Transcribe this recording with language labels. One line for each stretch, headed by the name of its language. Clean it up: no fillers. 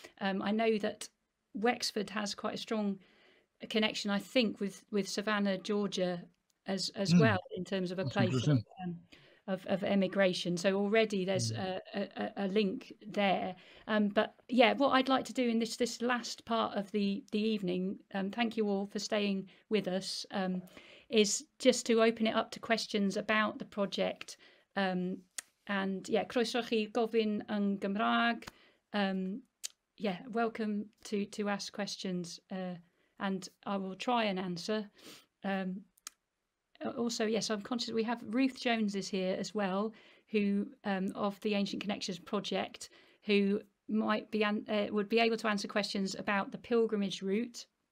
English: I know that Wexford has quite a strong connection, I think, with Savannah, Georgia, as well, in terms of a place of emigration. So already there's a link there. What I'd like to do in this last part of the evening, thank you all for staying with us, is just to open it up to questions about the project.
Welsh: Croeso chi gofyn yn Gymraeg.
English: Welcome to ask questions, and I will try and answer. Also, yes, I'm conscious we have Ruth Jones is here as well, who of the Ancient Connections Project, who might be would be able to answer questions about the pilgrimage route.